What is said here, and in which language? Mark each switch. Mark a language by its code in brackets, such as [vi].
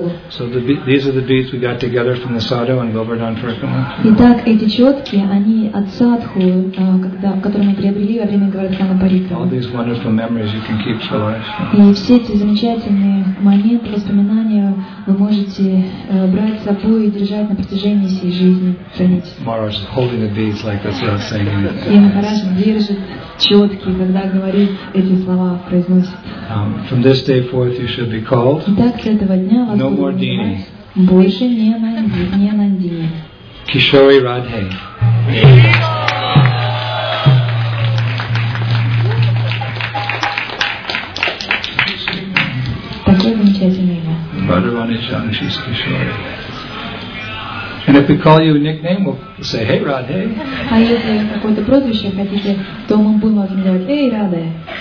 [en] So these are the beads we got together from the sadhu and Govardhan Purkama. [ru] Итак, эти четки, они от садху, которые мы приобрели во время Говардхана Паритхи. [en] All these wonderful memories you can keep for life. [ru] И все эти замечательные моменты, воспоминания вы можете брать с собой и держать на протяжении всей жизни. [en] Maharaj is holding the beads like that's what I'm saying. [ru] И Maharaj держит четки, когда говорит эти слова, произносит. [en] From this day forth you should be called. [ru] Итак, с этого дня вас [en] no more Dini. [ru] Больше не Нандини. Не Нандини. [en] Kishori Radhe. [ru] Такое замечательное имя. [en] Radharani Chan, she's Kishori. And if we call you a nickname, we'll say, hey Radhe. [ru] А если какое-то прозвище хотите, то мы будем вас называть, hey Radhe.